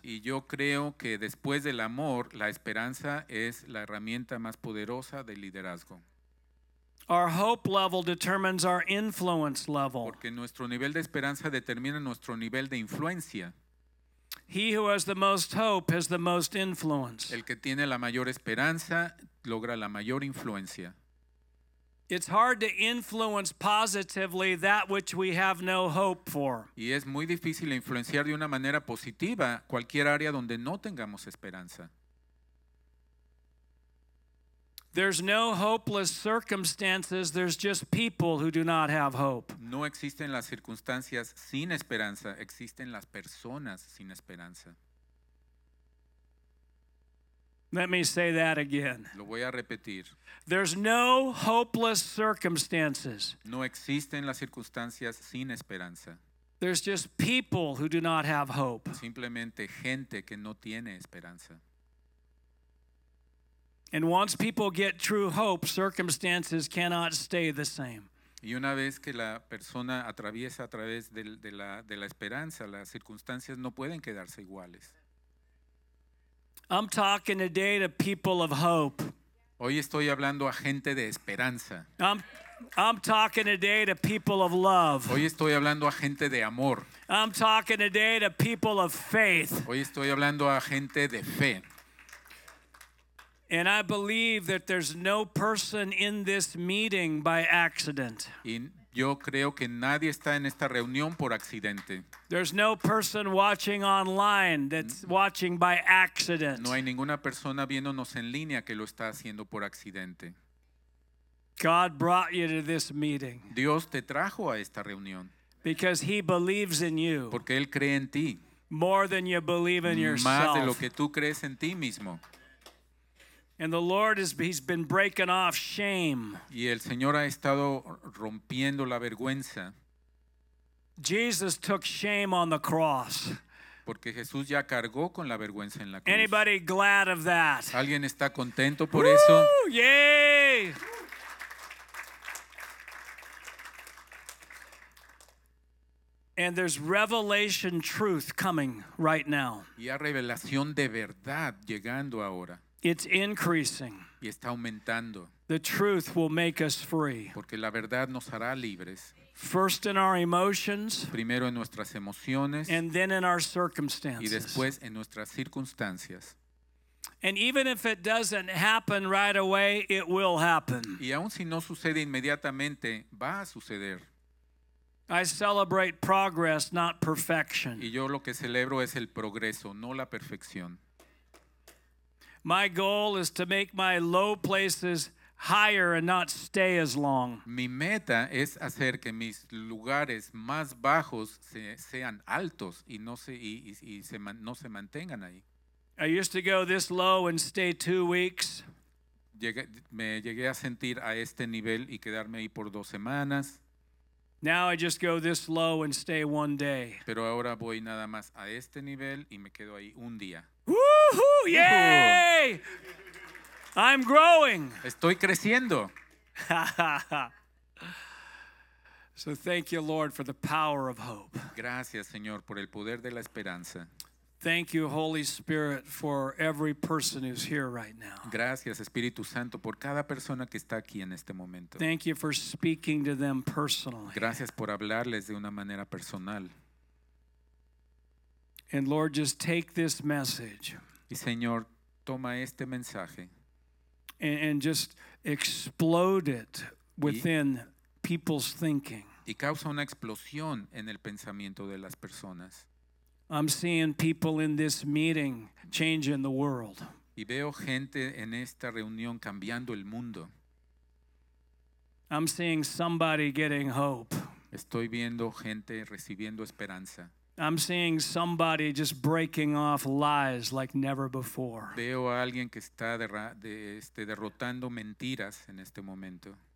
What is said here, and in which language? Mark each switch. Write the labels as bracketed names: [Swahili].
[Spanish] Y yo creo que después del amor, la esperanza es la herramienta más poderosa de liderazgo. [English] Our hope level determines our influence level. [Spanish] Porque nuestro nivel de esperanza determina nuestro nivel de influencia. [English] He who has the most hope has the most influence. [Spanish] El que tiene la mayor esperanza logra la mayor influencia. [English] It's hard to influence positively that which we have no hope for. [Spanish] Y es muy difícil influenciar de una manera positiva cualquier área donde no tengamos esperanza. [English] There's no hopeless circumstances, there's just people who do not have hope. [Spanish] No existen las circunstancias sin esperanza, existen las personas sin esperanza. [English] Let me say that again. [Spanish] Lo voy a repetir. [English] There's no hopeless circumstances. [Spanish] No existen las circunstancias sin esperanza. [English] There's just people who do not have hope. [Spanish] Simplemente gente que no tiene esperanza. [English] And once people get true hope, circumstances cannot stay the same. [Spanish] Y una vez que la persona atraviesa a través de la esperanza, las circunstancias no pueden quedarse iguales. [English] I'm talking today to people of hope. [Spanish] Hoy estoy hablando a gente de esperanza. [English] I'm talking today to people of love. [Spanish] Hoy estoy hablando a gente de amor. [English] I'm talking today to people of faith. [Spanish] Hoy estoy hablando a gente de fe. [English] And I believe that there's no person in this meeting by accident. [Spanish] Y yo creo que nadie está en esta reunión por accidente. [English] There's no person watching online that's watching by accident. [Spanish] No hay ninguna persona viéndonos en línea que lo está haciendo por accidente. [English] God brought you to this meeting. [Spanish] Dios te trajo a esta reunión. [English] Because he believes in you. [Spanish] Porque él cree en ti. [English] More than you believe in yourself. [Spanish] Más de lo que tú crees en ti mismo. [English] And the Lord he's been breaking off shame. [Spanish] Y el Señor ha estado rompiendo la vergüenza. [English] Jesus took shame on the cross. [Spanish] Porque Jesús ya cargó con la vergüenza en la cruz. [English] Anybody glad of that? [Spanish] ¿Alguien está contento por eso? Yay! [English] And there's revelation truth coming right now. [Spanish] Y hay revelación de verdad llegando ahora. [English] It's increasing. [Spanish] Y está aumentando. [English] The truth will make us free. [Spanish] Porque la verdad nos hará libres. [English] First in our emotions. [Spanish] Primero en nuestras emociones. [English] And then in our circumstances. [Spanish] Y después en nuestras circunstancias. [English] And even if it doesn't happen right away, it will happen. [Spanish] Y aun si no sucede inmediatamente, va a suceder. [English] I celebrate progress, not perfection. [Spanish] Y yo lo que celebro es el progreso, no la perfección. [English] My goal is to make my low places higher and not stay as long. [Spanish] Mi meta es hacer que mis lugares más bajos sean altos y no se mantengan ahí. [English] I used to go this low and stay 2 weeks. [Spanish] Me llegué a sentir a este nivel y quedarme ahí por 2 semanas. [English] Now I just go this low and stay 1 day. [Spanish] Pero ahora voy nada más a este nivel y me quedo ahí un día. [English] Woohoo! Yay! I'm growing. [Spanish] Estoy creciendo. [English] So thank you, Lord, for the power of hope. [Spanish] Gracias, Señor, por el poder de la esperanza. [English] Thank you, Holy Spirit, for every person who's here right now. [Spanish] Gracias, Espíritu Santo, por cada persona que está aquí en este momento. [English] Thank you for speaking to them personally. [Spanish] Gracias por hablarles de una manera personal. [English] And Lord, just take this message. [Spanish] Y Señor, toma este mensaje. [English] And just explode it within people's thinking. [Spanish] Y causa una explosión en el pensamiento de las personas. [English] I'm seeing people in this meeting changing the world. [Spanish] Y veo gente en esta reunión cambiando el mundo. [English] I'm seeing somebody getting hope. [Spanish] Estoy viendo gente recibiendo esperanza. [English] I'm seeing somebody just breaking off lies like never before. [Spanish] Veo a alguien que está derrotando mentiras en este momento.